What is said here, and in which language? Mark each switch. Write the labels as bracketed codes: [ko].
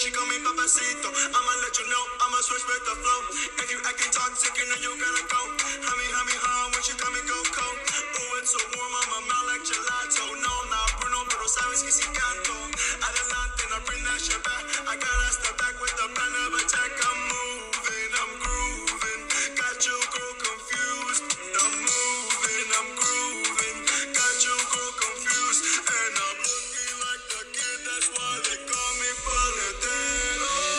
[en] I'ma let you know, I'ma switch with the flow. If you acting toxic, you know you're gonna go. Hummy, hummy, hum, when she tell me go, go. Oh, it's so warm, I'ma melt like gelato. [es] No, no, Bruno, pero sabes que si canto. [en] Adelante, I bring that shit back. I gotta step back with the plan of attack. I'm moving, I'm grooving. Got your girl confused. I'm moving, I'm grooving. Got your girl confused. And I'm looking like the kid, that's why they call me Paletero.